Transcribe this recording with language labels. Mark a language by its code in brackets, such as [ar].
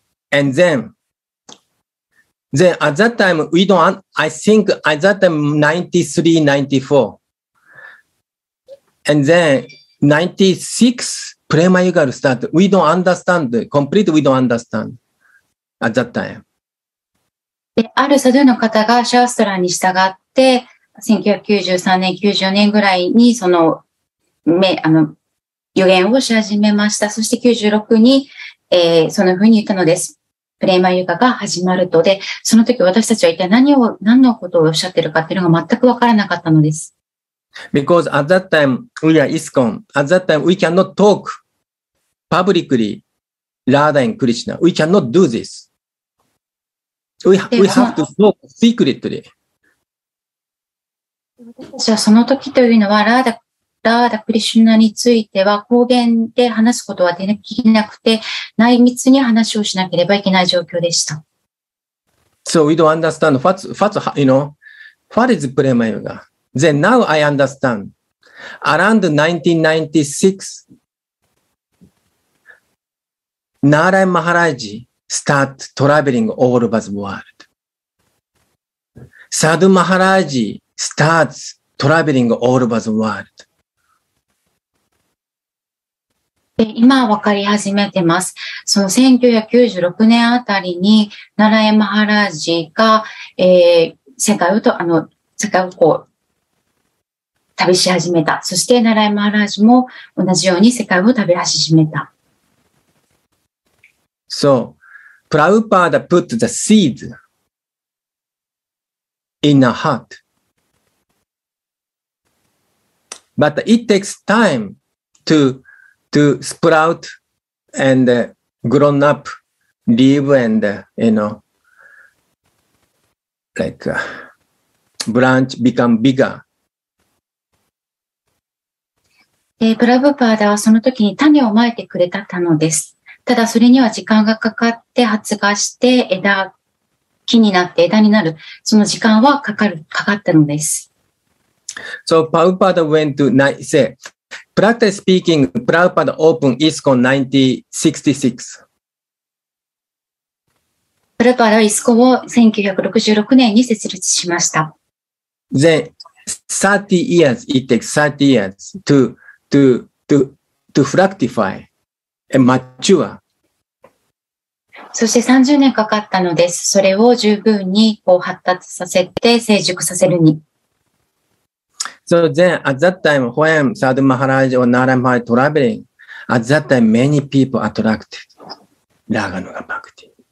[en] And then at that time, I think at that time, 93, 94. And then 96, Prema Yuga start. We don't understand, completely we don't understand at that time. [ja] であるサドゥの方がシャーストラに従って、1993年、94年ぐらいにその、予言をし始めました。そして96に、そのふうに言ったのです。プレマユガが始まると。で、その時私たちは一体何のことをおっしゃってるかっていうのが全くわからなかったのです。 [en] Because at that time, we are ISKCON. At that time, we cannot talk publicly, Radha and Krishna. We cannot do this. We have to talk secretly. [ja] 私はその時というのは、ラーダ・クリシュナについては、公言で話すことはできなくて、内密に話をしなければいけない状況でした。 [en] So we don't understand. What is Prema Yuga? Then now I understand. Around 1996, Narai Maharaj,Start traveling all over the world. Sadhu Maharaj starts traveling all over the world. [ja] 今は分かり始めてます。その1996年あたりに、ナラヤ・マハラージが、世界をと、世界をこう、旅し始めた。そして、ナラヤ・マハラージも同じように世界を旅し始めた。 [en] So, Prabhupada put the seed in a heart. But it takes time to sprout and grown up, live and, you know, like a branch become bigger. [ja] で、プラブパーダはその時に種をまいてくれた種です。ただそれには時間がかかって発芽して枝、木になって枝になる。その時間はかかったのです。 [en] So, Prabhupada went to Nice. Practice speaking, Prabhupada opened ISKCON 1966. [ja] Prabhupada ISKCONを1966年に設立しました。 [en] Then, 30 years, it takes 30 years to fructify and mature. [ja] そして30年かかったのです。それを十分にこう発達させて成熟させるに。 [en] So then, at that time, when Sadhu Maharaj or Narayan Maharaj traveling, at that time, many people attracted Raghunuga Bhakti.